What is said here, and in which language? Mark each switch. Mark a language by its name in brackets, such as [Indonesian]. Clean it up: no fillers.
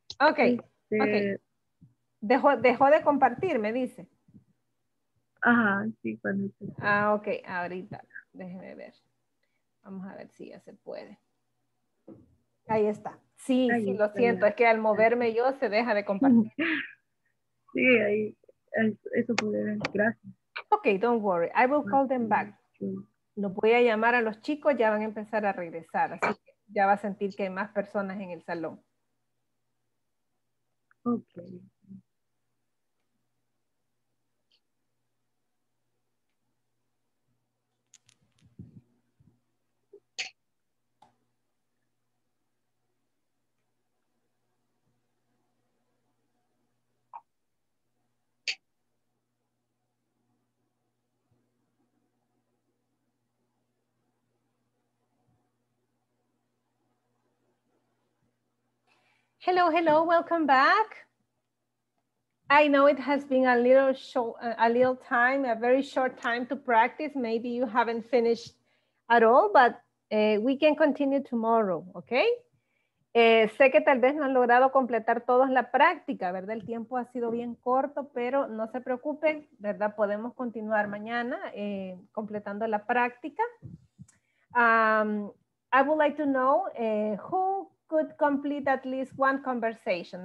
[Spanish] Ok, Dejó de compartir, me dice. Ajá, sí, Vanessa. Ah, ok, ahorita. Déjeme ver. Vamos a ver si ya se puede. Ahí está. Sí, ahí sí, está, lo siento. Bien. Es que al moverme yo se deja de compartir. Sí, ahí. Eso puede ver, gracias. [English] Ok, don't worry, I will call them back. [Spanish] Los voy a llamar a los chicos, ya van a empezar a regresar, así que ya va a sentir que hay más personas en el salón. Ok. [English] Hello, hello, welcome back. I know it has been a very short time to practice. Maybe you haven't finished at all, but we can continue tomorrow, okay? [Spanish] Sé que tal vez no han logrado completar todos la práctica, ¿verdad? El tiempo ha sido bien corto, pero no se preocupen, ¿verdad? Podemos continuar mañana completando la práctica. [English] I would like to know who could complete at least one conversation.